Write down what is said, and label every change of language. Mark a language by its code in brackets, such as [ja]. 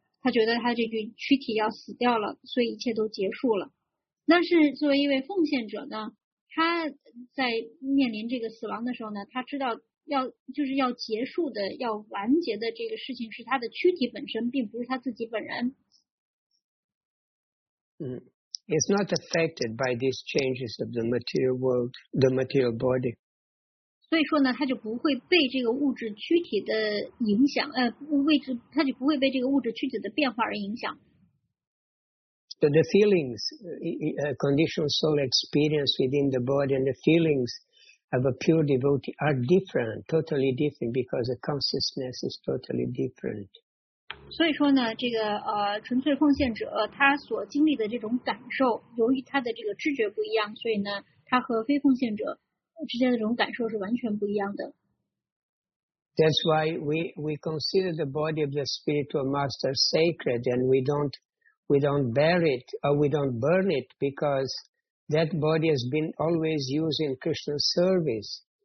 [zh] 他觉得他这具躯体要死掉了，所以一切都结束了。但是作为一位奉献者呢，他在面临这个死亡的时候呢，他知道要结束的、要完结的这个事情是他的躯体本身，并不是他自己本人。 [en] It's not affected by these changes of the material world, the material body. [zh] 所以说呢，它就不会被这个物质躯体的影响，它就不会被这个物质躯体的变化而影响。 [en] So the feelings, conditioned soul experience within the body and the feelings of a pure devotee are different, totally different, because the consciousness is totally different. [zh] 所以说呢，这个纯粹奉献者他所经历的这种感受，由于他的这个知觉不一样，所以呢，他和非奉献者之间的这种感受是完全不一样的。 [en] That's why we consider the body of the spiritual master sacred, and we don't bury it or we don't burn it, because that body has been always used in Krishna's service.